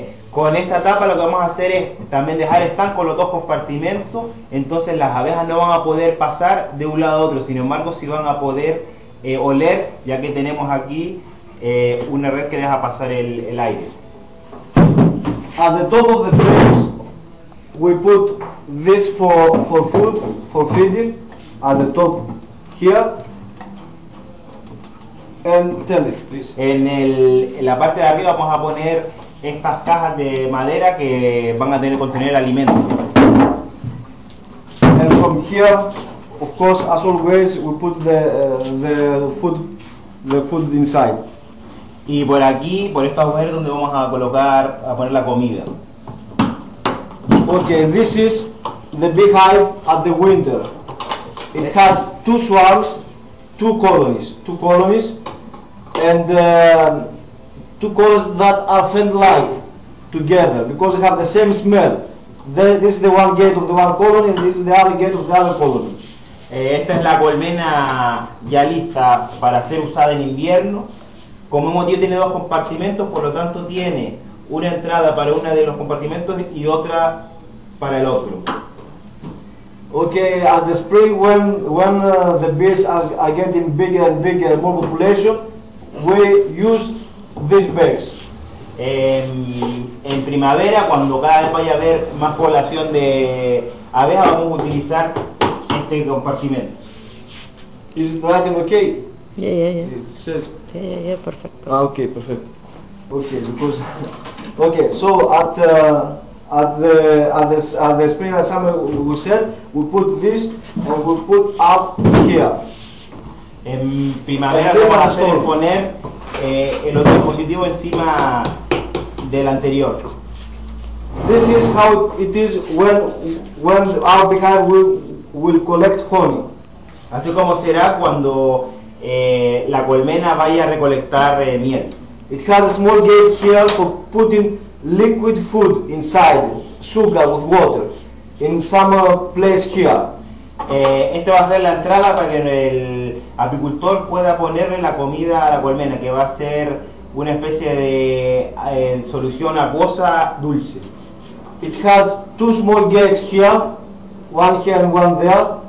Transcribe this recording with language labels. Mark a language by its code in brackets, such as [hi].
[es] Con esta tapa lo que vamos a hacer es también dejar estanco los dos compartimentos, entonces las abejas no van a poder pasar de un lado a otro, sin embargo sí van a poder oler, ya que tenemos aquí una red que deja pasar el aire. [en] At the top of the frames, we put this for food, for feeding, at the top here. And tell me, please. [es] En la parte de arriba vamos a poner estas cajas de madera que van a tener contener alimentos. [en] And from here, of course, as always, we put the food inside. [es] Y por aquí, por esta mujer, donde vamos a colocar, a poner la comida. [en] Okay, this is the beehive at the winter. It has two swarms, two colonies, and two colonies that are friend-like together because they have the same smell. This is the one gate of the one colony, and this is the other gate of the other colony. [es] Esta es la colmena ya lista para ser usada en invierno. Como hemos dicho, tiene dos compartimentos, por lo tanto tiene una entrada para uno de los compartimentos y otra para el otro. [en] Okay, at the spring when the bees are getting bigger and bigger and more population, we use these bags. [es] En primavera, cuando cada vez vaya a haber más población de abejas, vamos a utilizar este compartimento. [en] Is it writing okay? Yeah. It says. Yeah, perfect. Ah, okay, perfect. Okay, because okay, so at the spring and summer we said we put this and we put up here. [es] En primavera vamos a hacer poner el otro dispositivo encima del anterior. [en] This is how it is when our beehive will collect honey. [es] Así como será cuando la colmena vaya a recolectar miel. [en] It has a small gate here for putting liquid food inside, sugar with water, in some place here. [es] Esta va a ser la entrada para que el apicultor pueda ponerle la comida a la colmena, que va a ser una especie de solución acuosa dulce. [en] It has two small gates here and one there.